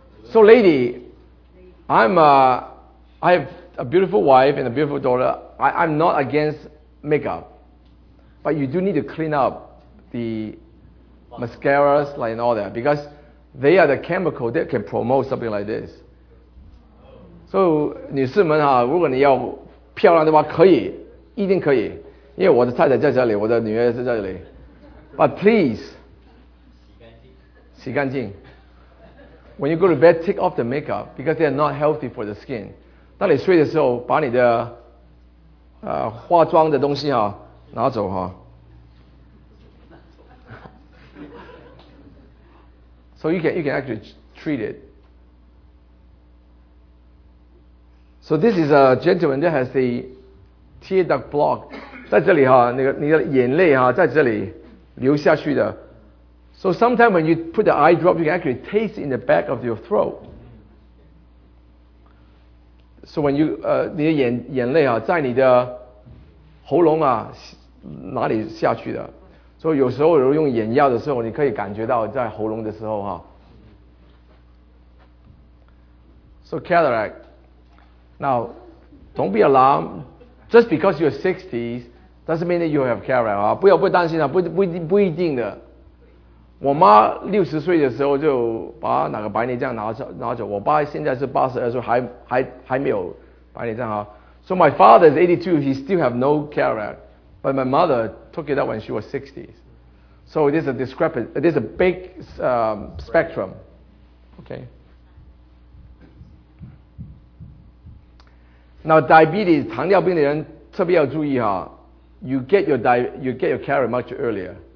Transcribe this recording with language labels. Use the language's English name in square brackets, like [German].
[English] So, lady, I have a beautiful wife and a beautiful daughter. I'm not against makeup, but you do need to clean up the mascaras, like, and all that, because they are the chemical that can promote something like this. [Chinese] 所、so, 以女士们哈、啊，如果你要漂亮的话，可以，一定可以，因为我的太太在这里，我的女儿是在这里。 [English] But please， [Chinese] 洗干净。 [English] When you go to bed, take off the makeup because they are not healthy for the skin。 [Chinese] 当你睡的时候，把你的化妆的东西哈、啊、拿走哈、啊。 [English] So you can actually treat it. So this is a gentleman that has a tear duct block. [Chinese] 在这里哈、啊，那个你的眼泪哈、啊、在这里流下去的。 [English] So sometimes when you put the eye drop, you can actually taste in the back of your throat. So when you [Chinese] 你的眼泪啊，在你的喉咙啊哪里下去的？所、so、以有时候用眼药的时候，你可以感觉到在喉咙的时候哈、啊。 [English] So cataract. Now, don't be alarmed. Just because you're 60s doesn't mean that you have cataract. [Chinese] 不要不担心啊，不一定的。我妈60岁的时候就把那个白内障拿走。我爸现在是82岁，还没有白内障啊。 [English] So my father is 82, he still have no cataract. But my mother took it out when she was 60s. So it is a discrepancy. It is a big spectrum. Okay. Now, diabetes, [Chinese] 糖尿病的人特别要注意哈、啊、 [English] you get your cataract much earlier.